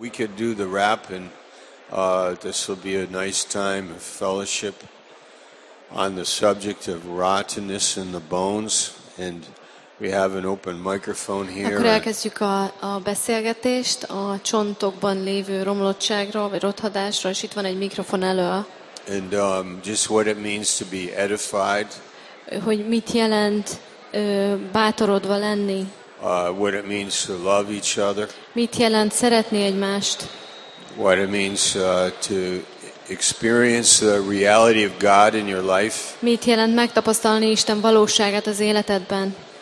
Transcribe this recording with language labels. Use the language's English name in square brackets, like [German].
[English] We could do the wrap, and this will be a nice time of fellowship on the subject of rottenness in the bones. And we have an open microphone here. [Hungarian] Akkor elkezdjük a beszélgetést a csontokban lévő romlottságról, vagy rothadásról, és itt van egy mikrofon elő. [English] And just what it means to be edified. [Hungarian] Hogy mit jelent bátorodva lenni. [English] What it means to love each other. [Hungarian] Mit jelent szeretni egymást. [English] What it means to experience the reality of God in your life. [Hungarian] Mit jelent megtapasztalni Isten valóságát az életedben.